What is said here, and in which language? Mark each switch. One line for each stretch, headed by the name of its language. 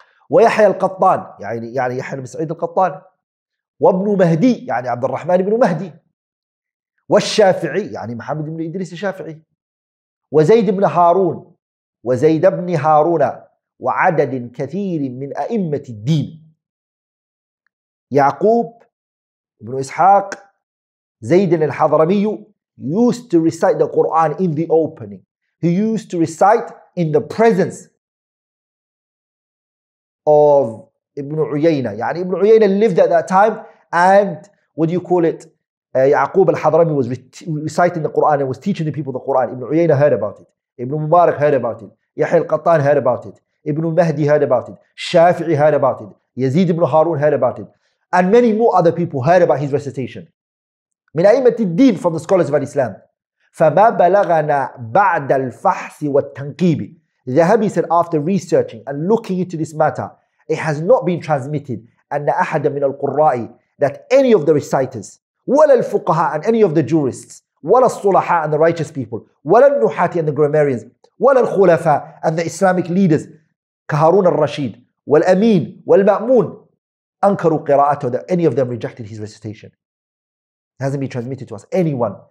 Arabic: ويحيى القطان, يعني يحيى بن سعيد القطان, وابن مهدي, يعني عبد الرحمن بن مهدي, والشافعي, يعني محمد بن إدريس الشافعي, وزيد بن هارون, وزيد بن هارون, وعدد كثير من أئمة الدين, يعقوب بن إسحاق, زيد الحضرمي, used to recite the Quran in the opening.
English: He used to recite in the presence of Ibn Uyayna. يعني Ibn Uyayna lived at that time, and what do you call it? Yaqub al-Hadrami was reciting the Quran and was teaching the people the Quran. Ibn Uyayna heard about it. Ibn Mubarak heard about it. Yahya al-Qattan heard about it. Ibn Mahdi heard about it. Shafi'i heard about it. Yazid ibn Harun heard about it. And many more other people heard about his recitation. من أئمة الدين, from the scholars of Islam.
Arabic: فما بلغنا بعد الفحص والتنقيب.
English: ذهبي said, after researching and looking into this matter, it has not been transmitted أن أحد من القراء, that any of the reciters, ولا الفقهاء and any of the jurists, ولا الصلحاء and the righteous people, ولا النحاة and the grammarians, ولا الخلفاء and the Islamic leaders, كهارون الرشيد والأمين والمأمون, أنكروا قراءته, that any of them rejected his recitation. Hasn't been transmitted to us. Anyone.